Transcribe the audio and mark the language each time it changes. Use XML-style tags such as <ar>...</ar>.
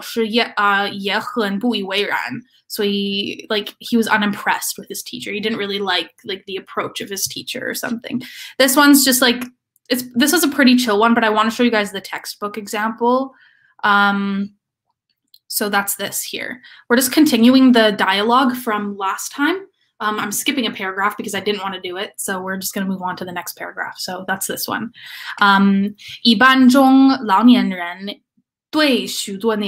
<zh>我们的例子就是他对他的老师也很不以为然.</zh> <en>So he like he was unimpressed with his teacher. He didn't really like the approach of his teacher or something. This one's just like it's this is a pretty chill one, but I want to show you guys the textbook example. So that's this here. We're just continuing the dialogue from last time. I'm skipping a paragraph because I didn't want to do it. So we're just going to move on to the next paragraph. So that's this one.</en> <zh>一般中老年人对许多年轻人网上交友的做法不以为然。</zh>